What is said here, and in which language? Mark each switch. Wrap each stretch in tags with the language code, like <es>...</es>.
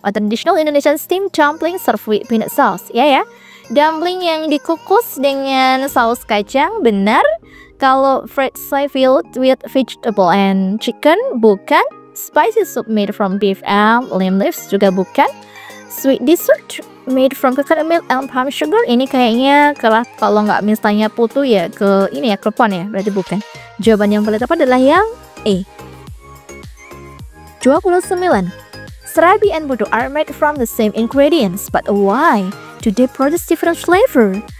<en>A traditional Indonesian steamed dumpling served with peanut sauce.</en> <id>Ya ya, dumpling yang dikukus dengan saus kacang, benar.</id> <en>Kalau fried soy filled with vegetable and chicken, bukan. Spicy soup made from beef and lime leaves,</en> <id>juga bukan.</id> <en>Sweet dessert made from coconut milk and palm sugar,</en> <id>ini kayaknya kerap, kalau nggak misalnya putu ya, ke ini ya, krepon ya, berarti bukan. Jawaban yang paling tepat adalah yang A. 29.</id> <en>Serabi and budu are made from the same ingredients, but why do they produce different flavor?</en>